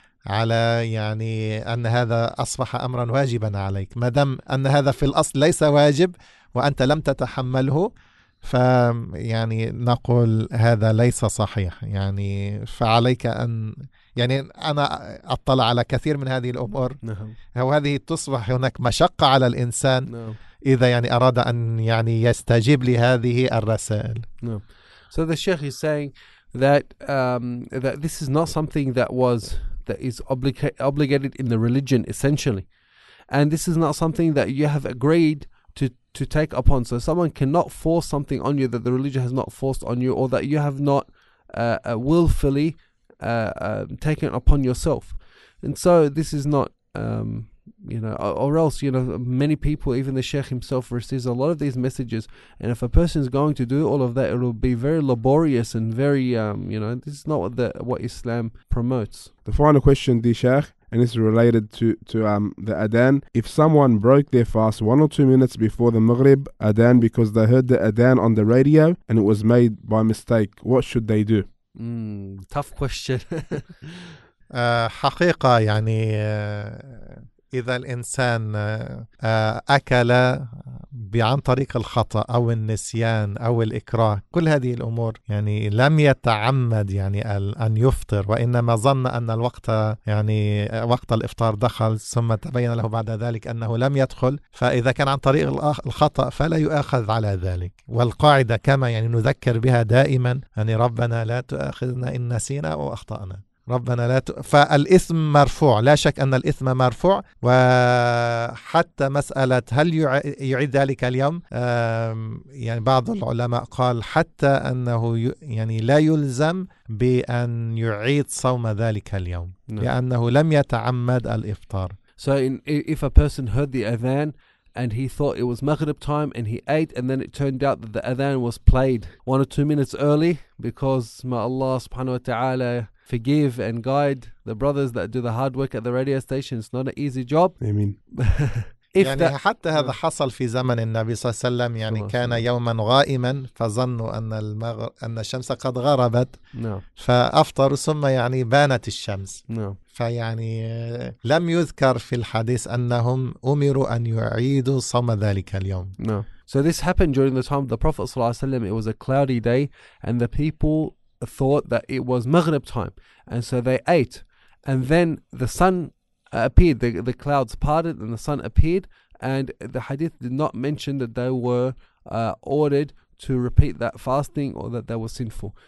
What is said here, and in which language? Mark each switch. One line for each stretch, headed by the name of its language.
Arabic: على يعني أن هذا أصبح أمرا واجبا عليك ما دام أن هذا في الأصل ليس واجب وأنت لم تتحمله فيعني نقول هذا ليس صحيح يعني فعليك أن يعني أنا أطلع على كثير من هذه الأمور وهذه تصبح هناك مشقة على الإنسان إذا يعني أراد أن يعني يستجيب لهذه الرسائل.
English: So the Sheikh is saying that that this is not something that is obligated in the religion essentially, and this is not something that you have agreed to take upon. So someone cannot force something on you that the religion has not forced on you, or that you have not willfully taken upon yourself. And so this is not you know, or else, you know, many people, even the Sheikh himself, receives a lot of these messages, and if a person is going to do all of that, it will be very laborious and very you know, this is not what Islam promotes. The final question, the Sheikh, and it's related to the Adhan. If someone broke their fast 1 or 2 minutes before the Maghrib Adhan because they heard the Adhan on the radio and it was made by mistake, what should they do? Tough question.
Arabic: حقيقة يعني إذا الإنسان أكل عن طريق الخطأ أو النسيان أو الإكراه كل هذه الأمور يعني لم يتعمد يعني أن يفطر وإنما ظن أن الوقت يعني وقت الإفطار دخل ثم تبين له بعد ذلك أنه لم يدخل فإذا كان عن طريق الخطأ فلا يؤاخذ على ذلك والقاعدة كما يعني نذكر بها دائما يعني ربنا لا تؤاخذنا إن نسينا أو أخطأنا ربنا لا فالإثم مرفوع لا شك أن الإثم مرفوع وحتى مسألة هل يعيد ذلك اليوم يعني بعض العلماء قال حتى أنه يعني لا يلزم بأن يعيد صوم ذلك اليوم لأنه لم يتعمد الإفطار.
English: So if a person heard the adhan and he thought it was Maghrib time and he ate and then it turned out that the adhan was played 1 or 2 minutes early because may Allah subhanahu wa ta'ala forgive and guide the brothers that do the hard work at the radio station. It's not an easy job. I mean,
Arabic: if يعني حتى هذا حصل في زمن النبي صلى الله عليه وسلم يعني كان يوما غائما فظنوا أن الشمس قد غربت فأفطر ثم يعني بانت الشمس فيعني لم يذكر في الحديث أنهم أمروا أن يعيدوا صوم ذلك اليوم.
English: So this happened during the time of the Prophet صلى الله عليه وسلم. It was a cloudy day and the people thought that it was Maghrib time, and so they ate, and then the sun appeared, the clouds parted and the sun appeared, and the hadith did not mention that they were ordered to repeat that fasting or that they were sinful.